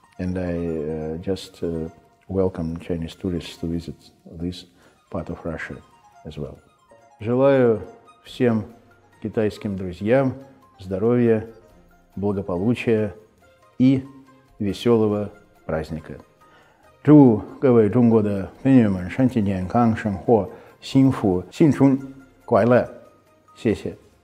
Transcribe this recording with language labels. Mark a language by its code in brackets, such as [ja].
[en] And I just welcome Chinese tourists to visit this part of Russia as well. [ru] Желаю всем китайским друзьям здоровья, благополучия и веселого праздника. [zh] 祝各位中国的朋友们身体健康、生活幸福、新春快乐！谢谢。